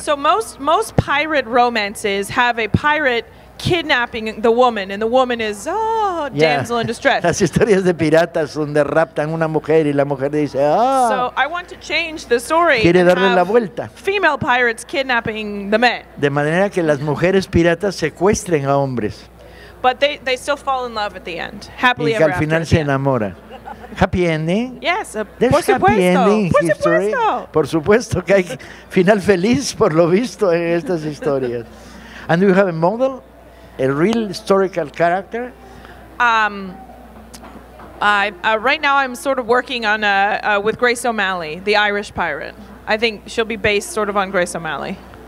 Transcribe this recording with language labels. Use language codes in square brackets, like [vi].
[en] So most pirate romances have a pirate kidnapping the woman, and the woman is, damsel in distress. [es] Las historias de piratas donde raptan una mujer y la mujer dice, [en] So I want to change the story. [es] Quiere darle la vuelta. [en] Female pirates kidnapping the men. [es] De manera que las mujeres piratas secuestren a hombres. [en] But they still fall in love at the end. Happily ever after. [es] Y al final se enamora. [en] Happy ending? Yes, [es] por supuesto. [en] Happy ending [es] por [en] history? [es] Supuesto. Por supuesto que hay final feliz por lo visto en estas historias. [en] And we have a model. A real historical character? Right now I'm sort of working on with Grace O'Malley, the Irish pirate. I think she'll be based sort of on Grace O'Malley.